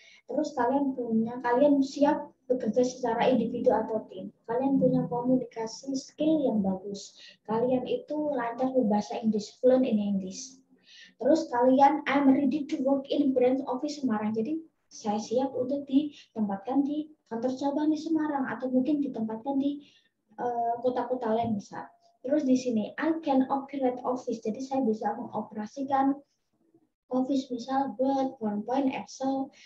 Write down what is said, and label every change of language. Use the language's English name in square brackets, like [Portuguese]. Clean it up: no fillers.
[Indonesian] Terus kalian siap bekerja secara individu atau tim. Kalian punya komunikasi skill yang bagus. Kalian itu lancar berbahasa Inggris, [English] fluent in English. [Indonesian] Terus kalian, [English] I'm ready to work in branch office Semarang. [Indonesian] Jadi saya siap untuk ditempatkan di kantor cabang di Semarang atau mungkin ditempatkan di kota-kota lain besar. Terus di sini, [English] I can operate office. [Indonesian] Jadi saya bisa mengoperasikan office, misal Word, PowerPoint, Excel.